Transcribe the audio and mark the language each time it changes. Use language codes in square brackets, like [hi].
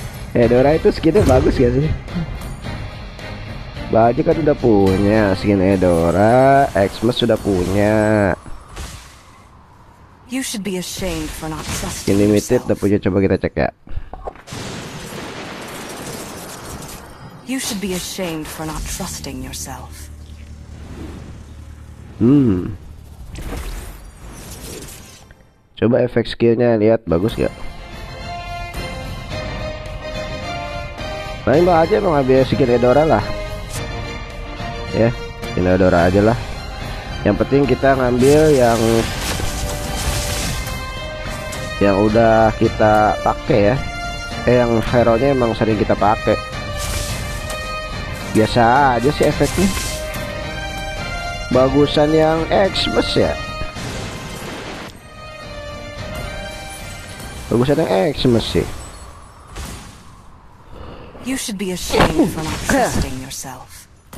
[id] Edora itu skinnya bagus gak sih? Baju kan udah punya skin Edora, Xmas sudah punya. [en] You should be ashamed for not trusting. Limited, [id] tapi coba kita cek ya. [en] You should be ashamed for not trusting yourself. [id] Coba efek skillnya lihat bagus gak? Main aja emang habis skin Edora lah. Ya, skin Edora aja lah. Yang penting kita ngambil yang udah kita pakai ya, yang hero nya emang sering kita pakai, biasa aja sih efeknya. Bagusan yang Xmas ya, bagusan yang Xmas sih. [en] You should be ashamed for not trusting yourself.